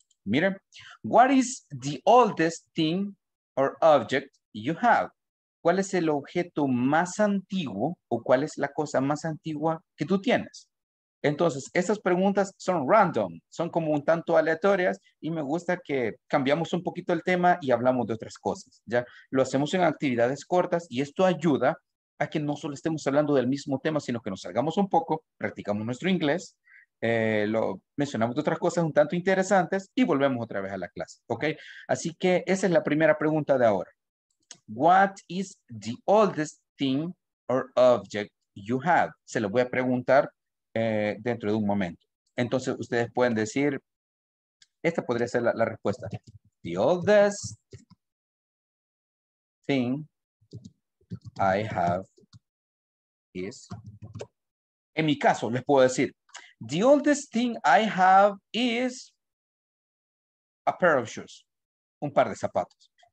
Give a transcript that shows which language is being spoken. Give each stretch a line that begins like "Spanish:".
Spanish: Miren,
English: what is the oldest thing or object you have?
Spanish: ¿Cuál es el objeto más antiguo o cuál es la cosa más antigua que tú tienes? Entonces, estas preguntas son random, son como un tanto aleatorias y me gusta que cambiamos un poquito el tema y hablamos de otras cosas, ¿ya? Lo hacemos en actividades cortas y esto ayuda a que no solo estemos hablando del mismo tema, sino que nos salgamos un poco, practicamos nuestro inglés, lo mencionamos de otras cosas un tanto interesantes y volvemos otra vez a la clase, ¿ok? Así que esa es la primera pregunta de ahora.
English: What is the oldest thing or object you have?
Spanish: Se lo voy a preguntar dentro de un momento. Entonces, ustedes pueden decir, esta podría ser la respuesta.
English: The oldest thing I have is,
Spanish: en mi caso, les puedo decir,
English: the oldest thing I have is a pair of shoes,
Spanish: un par de zapatos.